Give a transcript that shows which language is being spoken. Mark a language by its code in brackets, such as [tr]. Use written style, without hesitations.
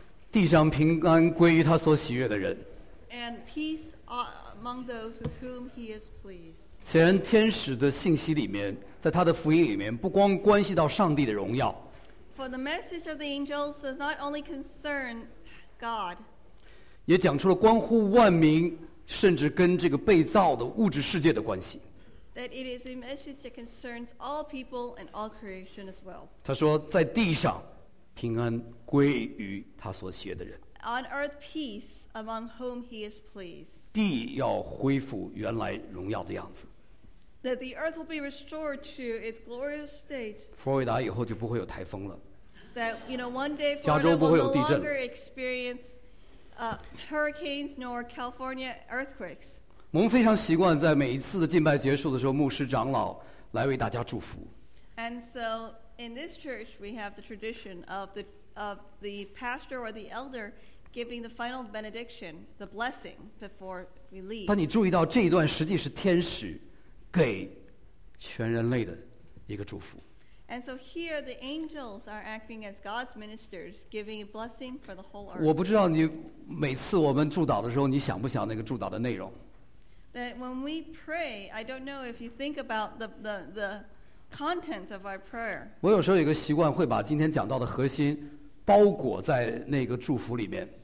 [zh] 地上平安归于他所喜悦的人。 [en] And peace among those with whom he is pleased. [zh] 显然，天使的信息里面，在他的福音里面，不光关系到上帝的荣耀。 [en] For the message of the angels does not only concern God. [zh] 也讲出了关乎万民，甚至跟这个被造的物质世界的关系。 [en] That it is a message that concerns all people and all creation as well. [zh] 他说，在地上。平安归于他所喜悦的人。 [en] On earth, peace among whom he is pleased. [zh] 地要恢复原来荣耀的样子。 [en] That the earth will be restored to its glorious state. [zh] 佛罗里达以后就不会有台风了。 [en] That you know, one day Florida will no longer experience hurricanes nor California earthquakes. [zh] 我们非常习惯在每一次的敬拜结束的时候，牧师长老来为大家祝福。 [en] And so. In this church, we have the tradition of the of the pastor or the elder giving the final benediction, the blessing before we leave. [zh] 当你注意到这一段，实际是天使给全人类的一个祝福。 [en] And so here the angels are acting as God's ministers, giving a blessing for the whole earth. [zh] 我不知道你每次我们祝祷的时候，你想不想那个祝祷的内容？ [en] That when we pray, I don't know if you think about the contents of our prayer. [zh] 我有时候有个习惯，会把今天讲到的核心包裹在那个祝福里面。